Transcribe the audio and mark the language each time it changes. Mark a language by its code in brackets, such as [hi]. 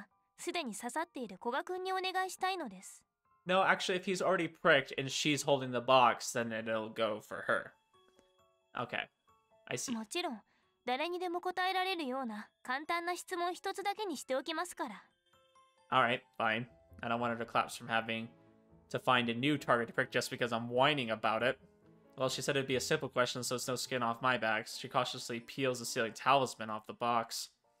[ja] リトさんの話でもそうでした。ですから、質問に答えるのはすでに刺さっている古賀君にお願いしたいのです。 [en] No, actually, if he's already pricked and she's holding the box, then it'll go for her. Okay, I see. [ja] もちろん、誰にでも答えられるような簡単な質問一つだけにしておきますから。 [en] Alright, fine. I don't want her to collapse from having to find a new target to prick just because I'm whining about it. Well, she said it'd be a simple question, so it's no skin off my back. She cautiously peels the sealing talisman off the box.